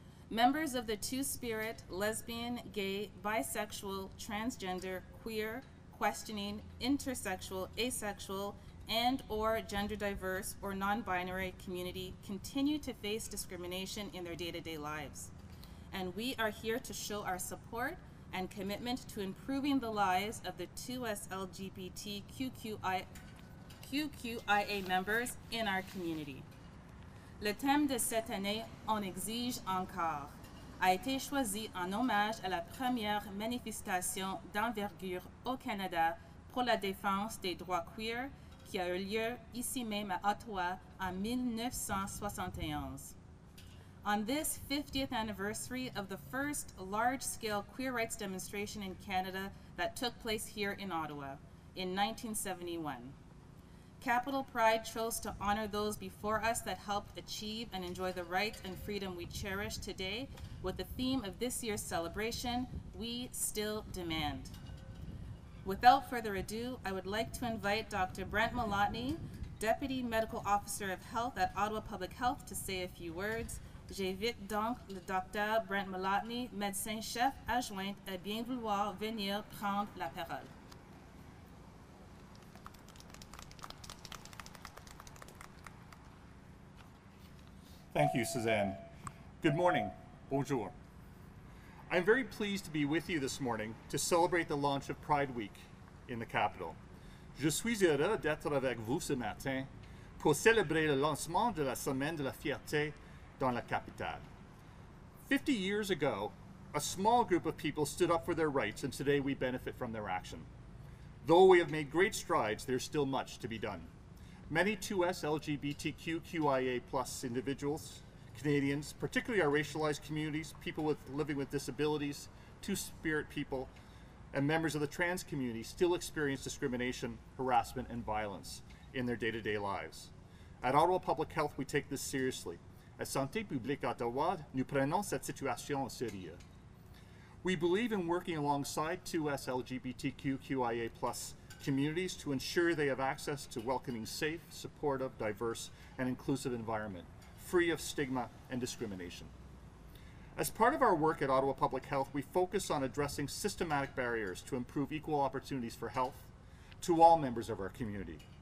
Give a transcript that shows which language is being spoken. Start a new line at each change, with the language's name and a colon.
English: Members of the Two-Spirit, lesbian, gay, bisexual, transgender, queer, questioning, intersexual, asexual, and or gender diverse or non-binary community continue to face discrimination in their day-to-day lives. And we are here to show our support and commitment to improving the lives of the 2SLGBTQIA members in our community.
French: Le thème de cette année, On exige encore, a été choisi en hommage à la première manifestation d'envergure au Canada pour la défense des droits queer qui a eu lieu ici même à Ottawa en 1971.
English: On this 50th anniversary of the first large-scale queer rights demonstration in Canada that took place here in Ottawa in 1971. Capital Pride chose to honor those before us that helped achieve and enjoy the rights and freedom we cherish today with the theme of this year's celebration, We Still Demand. Without further ado, I would like to invite Dr. Brent Moloughney, Deputy Medical Officer of Health at Ottawa Public Health, to say a few words.
French: J'invite donc le Dr. Brent Moloughney, médecin chef adjoint, à bien vouloir venir prendre la parole.
English: Thank you, Suzanne. Good morning. Bonjour. I'm very pleased to be with you this morning to celebrate the launch of Pride Week in the capital.
French: Je suis heureux d'être avec vous ce matin pour célébrer le lancement de la semaine de la fierté dans la capitale.
English: 50 years ago, a small group of people stood up for their rights, and today we benefit from their action. Though we have made great strides, there's still much to be done. Many 2S LGBTQIA+ individuals Canadians, particularly our racialized communities, people with living with disabilities, two-spirit people, and members of the trans community still experience discrimination, harassment, and violence in their day-to-day lives. At Ottawa Public Health, we take this seriously.
French: At Santé publique Ottawa, nous prenons cette situation au sérieux.
English: We believe in working alongside 2S LGBTQIA+ communities to ensure they have access to welcoming, safe, supportive, diverse, and inclusive environment, free of stigma and discrimination. As part of our work at Ottawa Public Health, we focus on addressing systematic barriers to improve equal opportunities for health to all members of our community.